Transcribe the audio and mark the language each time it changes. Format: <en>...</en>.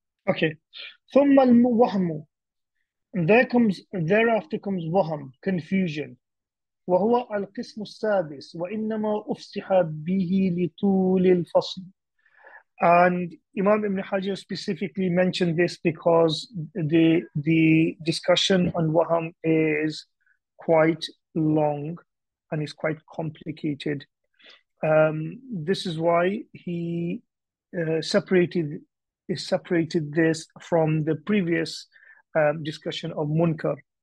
<ar>Okay, ثم الوهم.</ar> <en>Thereafter comes وهم, confusion.</en> <ar>وهو القسم السادس وإنما أفصح به لطول الفصل.</ar> <en>And Imam Ibn Hajar specifically mentioned this because the discussion on وهم is quite long and is quite complicated. This is why he separated this from the previous discussion of munkar.</en>